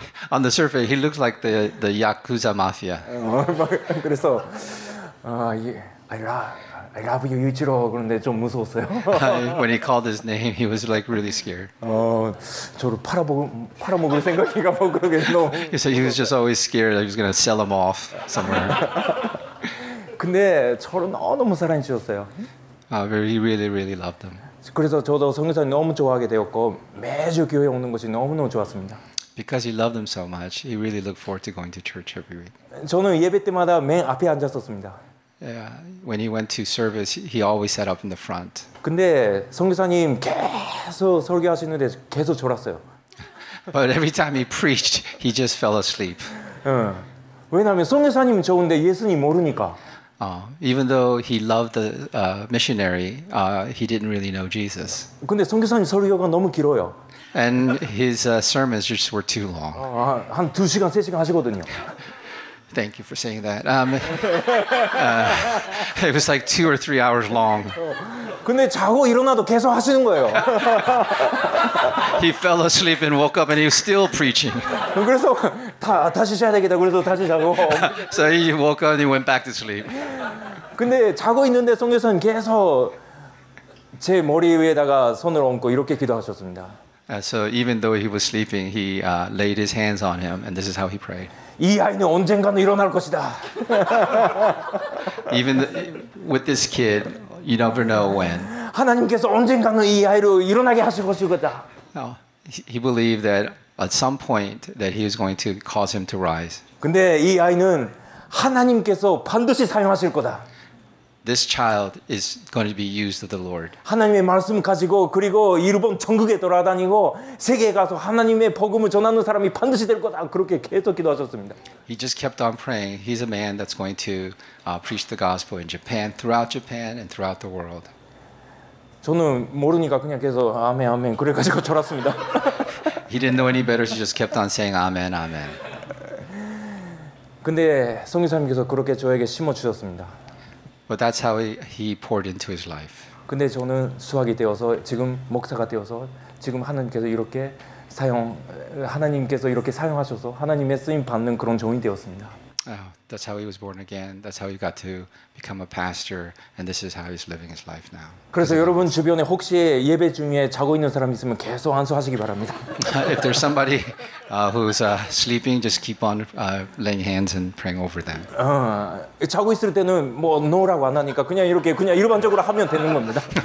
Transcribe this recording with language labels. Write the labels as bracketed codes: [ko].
[en] On the surface, he looks like the Yakuza mafia. 그래서 I love you, Yujiro. [ko] 그런데 좀 무서웠어요. [en] When he called his name, he was like really scared. [ko] 저를 팔아먹을 생각인가 뭐 그러겠노. [en] He said he was just always scared that he was going to sell him off somewhere. [ko] 근데 저를 너무 사랑해주셨어요. [en] He really, really loved him. [ko] 그래서 저도 성교사님 너무 좋아하게 되었고 매주 교회 오는 것이 너무너무 좋았습니다. [en] Because he loved him so much, he really looked forward to going to church every week. [ko] 저는 예배 때마다 맨 앞에 앉았었습니다. [en] Yeah, when he went to service, he always sat up in the front. [ko] 근데 선교사님 계속 설교하시는데 계속 졸았어요. [en] But every time he preached, he just fell asleep. [ko] 왜냐면 선교사님 좋은데 예수님 모르니까. [en] Even though he loved the missionary, he didn't really know Jesus. [ko] 근데 선교사님 설교가 너무 길어요. [en] And his sermons just were too long. [ko] 한 두 시간 세 시간 하시거든요. [en] Thank you for saying that. It was like 2 or 3 hours long. [ko] 근데 자고 일어나도 계속 하시는 거예요. [en] He fell asleep and woke up and he was still preaching. [ko] 그래서 다시 자야 되겠다. 그래서 다시 자고. [en] So he woke up and he went back to sleep. [ko] 근데 자고 있는데 성교사님 계속 제 머리 위에다가 손을 얹고 이렇게 기도하셨습니다. [en] So even though he was sleeping, he laid his hands on him and this is how he prayed. [ko] 이 아이는 언젠가는 일어날 것이다. [en] Even with this kid, you never know when. [ko] 하나님께서 언젠가는 이 아이를 일어나게 하실 것이다. [en] He believed that at some point that he was going to cause him to rise. [ko] 근데 이 아이는 하나님께서 반드시 사용하실 거다. [en] This child is going to be used of the Lord. [ko] 하나님의 말씀 가지고 그리고 일본 전국에 돌아다니고 세계에 가서 하나님의 복음을 전하는 사람이 반드시 될 거다. 그렇게 계속 기도하셨습니다. [en] He just kept on praying. He's a man that's going to preach the gospel in Japan, throughout Japan and throughout the world. [ko] 저는 모르니까 그냥 계속 아멘 아멘 그래 가지고 졸았습니다. [en] He didn't know any better. He just kept on saying amen amen. [ko] 근데 성교사님께서 그렇게 저에게 심어 주셨습니다. [en] But that's how he poured into his life. [ko] 근데 저는 수학이 되어서 지금 목사가 되어서 지금 하나님께서 이렇게 사용 하나님께서 이렇게 사용하셔서 하나님의 쓰임 받는 그런 종이 되었습니다. [en] That's how he was born again. That's how he got to become a pastor, and this is how he's living his life now. [ko] 그래서 여러분 주변에 혹시 예배 중에 자고 있는 사람 있으면 계속 안수하시기 바랍니다. [en] If there's somebody who's sleeping, just keep on laying hands and praying over them. [ko] 자고 있을 때는 뭐 노라고 안 하니까 그냥 이렇게 그냥 일반적으로 하면 되는 겁니다.